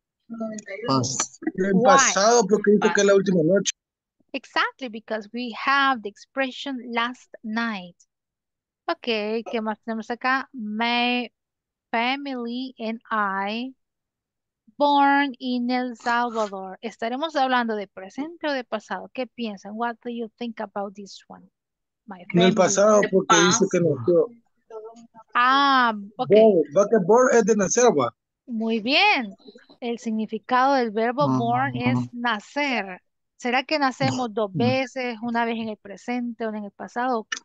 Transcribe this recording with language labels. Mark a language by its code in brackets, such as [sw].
[es] En pasado porque dijo que la última noche. [en] Exactly, because we have the expression last night. Okay, [es] ¿qué más tenemos acá? [en] My family and I born in El Salvador. [es] ¿Estaremos hablando de presente o de pasado? ¿Qué piensan? [en] What do you think about this one? My family. [es] En el pasado porque dice que nació. [en] Ah, okay. [es] Born es de nacer. Muy bien. El significado del verbo born es nacer. ¿Será que nacemos dos veces, una vez en el presente, una en el pasado?